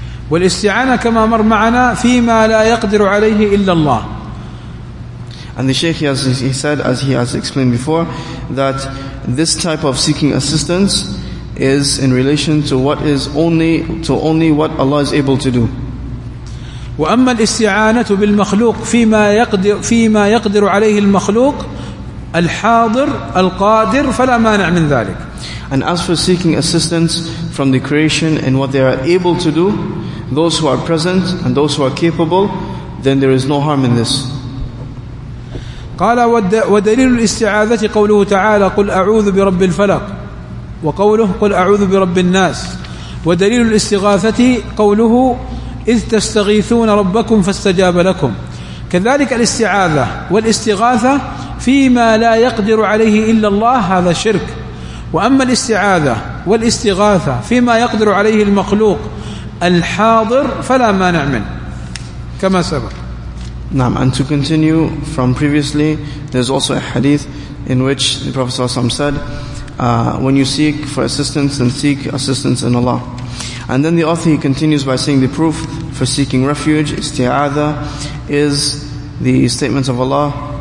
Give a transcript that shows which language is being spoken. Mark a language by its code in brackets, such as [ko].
[ar] وَالْإِسْتِعَانَ كَمَا مَرْ مَعَنَا فِي مَا لَا يَقْدِرُ عَلَيْهِ إِلَّا اللَّهِ. [en] And the Shaykh, he said, as he has explained before, that this type of seeking assistance is in relation to what is only what Allah is able to do. [ar] وأما الاستعانة بالمخلوق فيما يقدر عليه المخلوق الحاضر القادر فلا مانع من ذلك. [en] And as for seeking assistance from the creation in what they are able to do, those who are present and those who are capable, then there is no harm in this. [ar] قال ودليل الاستعاذة قوله تعالى قل أعوذ برب الفلق وقوله قل أعوذ برب الناس. ودليل الاستغاثة قوله إذ تستغيثون ربكم فاستجاب لكم. كذلك الاستعاذة والاستغاثة فيما لا يقدر عليه إلا الله هذا شرك. وأما الاستعاذة والاستغاثة فيما يقدر عليه المخلوق الحاضر فلا مانع منه كما سبق. نعم. [en] And to continue from previously, there's also a hadith in which the Prophet [ar] صلى الله عليه وسلم [en] said, when you seek for assistance, then seek assistance in Allah. And then the author, he continues by saying the proof for seeking refuge, isti'adha, is the statements of Allah.